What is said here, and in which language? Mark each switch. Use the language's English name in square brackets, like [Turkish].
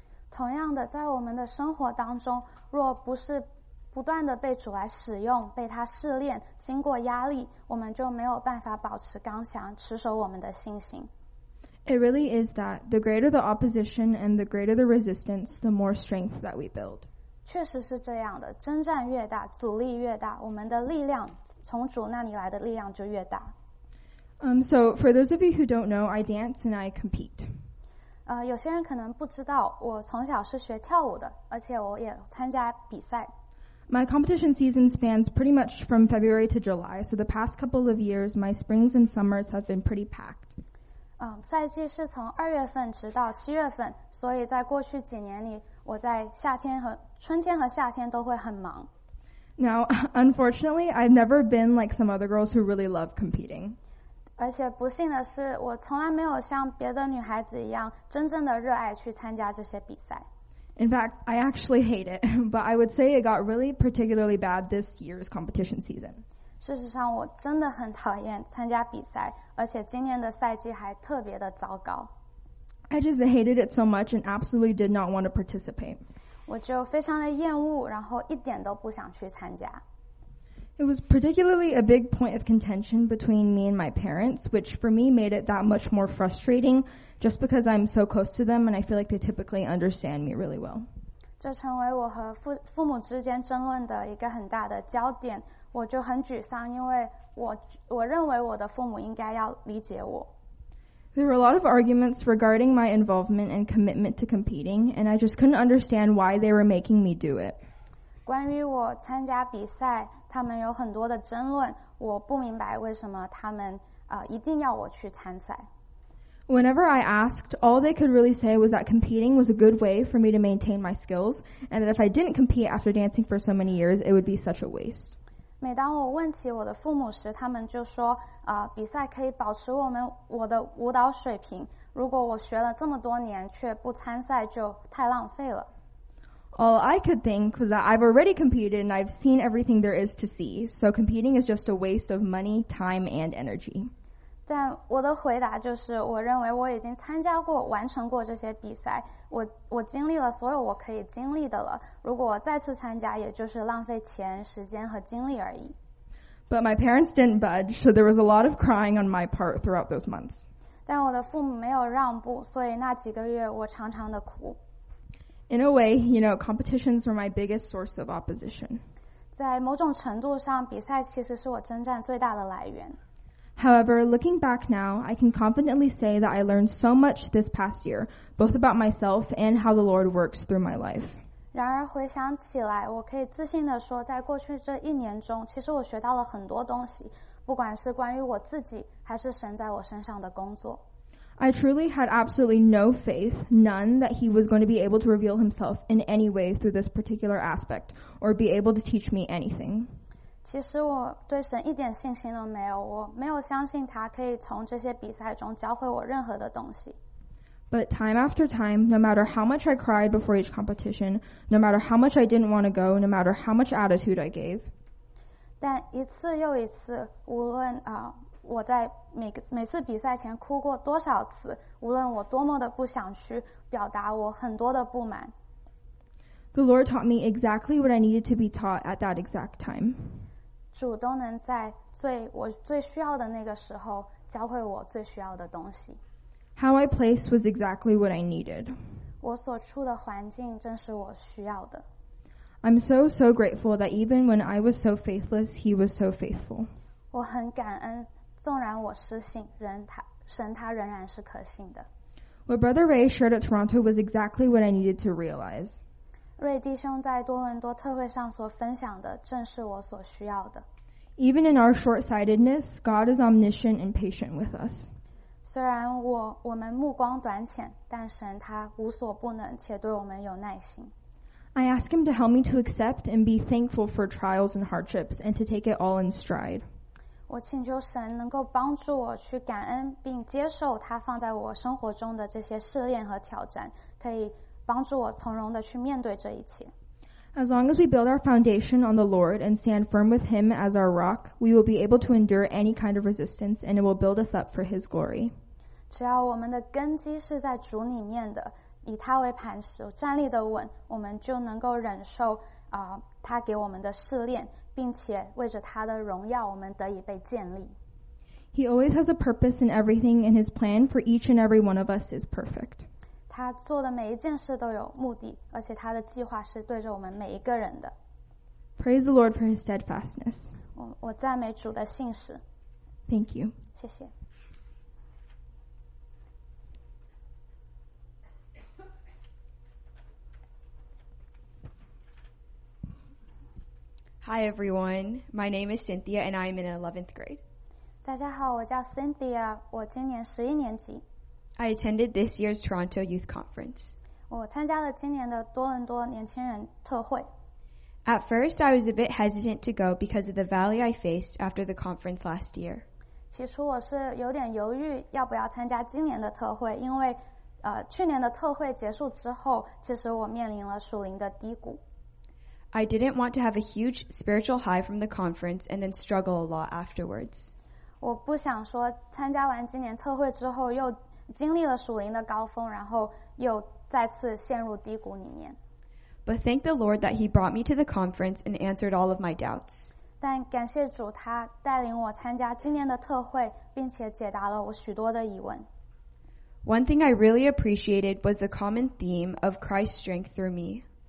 [Chinese] 同样的，在我们的生活当中，若不是不断的被主来使用，被他试炼，经过压力，我们就没有办法保持刚强，持守我们的信心。 [English] It really is that the greater the opposition and the greater the resistance, the more strength that we build. [Chinese] 确实是这样的，征战越大，阻力越大，我们的力量从主那里来的力量就越大。 [English] So for those of you who don't know, I dance and I compete. [Chinese] 有些人可能不知道，我从小是学跳舞的，而且我也参加比赛。 [English] My competition season spans pretty much from February to July, so the past couple of years, my springs and summers have been pretty packed. [Chinese] 赛季是从二月份直到七月份，所以在过去几年里。我在夏天和春天和夏天都会很忙。 [English] Now, unfortunately, I've never been like some other girls who really love competing. [Chinese] 而且不幸的是，我从来没有像别的女孩子一样真正的热爱去参加这些比赛。 [English] In fact, I actually hate it, but I would say it got really particularly bad this year's competition season. [Chinese] 事实上，我真的很讨厌参加比赛，而且今年的赛季还特别的糟糕。 [English] I just hated it so much and absolutely did not want to participate. [Chinese] 我就非常的厌恶，然后一点都不想去参加。 [English] It was particularly a big point of contention between me and my parents, which for me made it that much more frustrating just because I'm so close to them and I feel like they typically understand me really well. [Chinese] 这成为我和父母之间争论的一个很大的焦点，我就很沮丧，因为我认为我的父母应该要理解我。 [English] There were a lot of arguments regarding my involvement and commitment to competing, and I just couldn't understand why they were making me do it. [Chinese] 关于我参加比赛，他们有很多的争论，我不明白为什么他们一定要我去参赛。 [English] Whenever I asked, all they could really say was that competing was a good way for me to maintain my skills, and that if I didn't compete after dancing for so many years, it would be such a waste. [Chinese] 每当我问起我的父母时，他们就说，比赛可以保持我的舞蹈水平。如果我学了这么多年却不参赛，就太浪费了。 [English] All I could think was that I've already competed and I've seen everything there is to see. So competing is just a waste of money, time, and energy. [Chinese] 但我的回答就是，我认为我已经参加过、完成过这些比赛，我经历了所有我可以经历的了。如果再次参加，也就是浪费钱、时间和精力而已。 [English] But my parents didn't budge, so there was a lot of crying on my part throughout those months. [Chinese] 但我的父母没有让步，所以那几个月我常常的哭。 [English] In a way, you know, competitions were my biggest source of opposition. [Chinese] 在某种程度上，比赛其实是我征战最大的来源。 [English] However, looking back now, I can confidently say that I learned so much this past year, both about myself and how the Lord works through my life. [Chinese] 然而回想起来，我可以自信地说，在过去这一年中，其实我学到了很多东西，不管是关于我自己，还是神在我身上的工作。 [English] I truly had absolutely no faith, none, that he was going to be able to reveal himself in any way through this particular aspect, or be able to teach me anything. [Chinese] 其实我对神一点信心都没有，我没有相信他可以从这些比赛中教会我任何的东西。 [English] But time after time, no matter how much I cried before each competition, no matter how much I didn't want to go, no matter how much attitude I gave. [Chinese] 但一次又一次，无论我在每次比赛前哭过多少次，无论我多么的不想去表达我很多的不满。 [English] The Lord taught me exactly what I needed to be taught at that exact time. [Chinese] 主都能在我最需要的那个时候教会我最需要的东西。 [English] How I placed was exactly what I needed. [Chinese] 我所处的环境正是我需要的。 [English] I'm so, so grateful that even when I was so faithless, he was so faithful. [Chinese] 我很感恩，纵然我失信，神他仍然是可信的。 [English] What Brother Ray shared at Toronto was exactly what I needed to realize. [Chinese] 瑞弟兄在多伦多特会上所分享的正是我所需要的。 [English] Even in our short-sightedness, God is omniscient and patient with us. [Chinese] 虽然我们目光短浅，但神他无所不能，且对我们有耐心。 [English] I ask him to help me to accept and be thankful for trials and hardships and to take it all in stride. [Chinese] 我请求神能够帮助我去感恩并接受他放在我生活中的这些试炼和挑战，可以帮助我从容地去面对这一切。 [English] As long as we build our foundation on the Lord and stand firm with him as our rock, we will be able to endure any kind of resistance and it will build us up for his glory. [Chinese] 只要我们的根基是在主里面的，以他为磐石，站立得稳，我们就能够忍受他给我们的试炼，并且为着他的荣耀，我们得以被建立。 [English] He always has a purpose in everything, and his plan for each and every one of us is perfect. [Chinese] 他做的每一件事都有目的，而且他的计划是对着我们每一个人的。 [English] Praise the Lord for his steadfastness. [Chinese] 我赞美主的信实。 [English] Thank you. [Chinese] 谢谢。 [English] Hi everyone, my name is Cynthia and I'm in 11th grade. [Chinese] 大家好，我叫 Cynthia, 我今年11年级。 [English] I attended this year's Toronto Youth Conference. [Chinese] 我参加了今年的多伦多年轻人特会。 [English] At first, I was a bit hesitant to go because of the valley I faced after the conference last year. [Chinese] 起初我是有点犹豫要不要参加今年的特会，因为去年的特会结束之后，其实我面临了属灵的低谷。 [English] I didn't want to have a huge spiritual high from the conference and then struggle a lot afterwards. [Chinese] 我不想说参加完今年特会之后又经历了属灵的高峰，然后又再次陷入低谷里面。 [English] But thank the Lord that he brought me to the conference and answered all of my doubts. [Chinese] 但感谢主他带领我参加今年的特会，并且解答了我许多的疑问。 [English] One thing I really appreciated was the common theme of Christ's strength through me.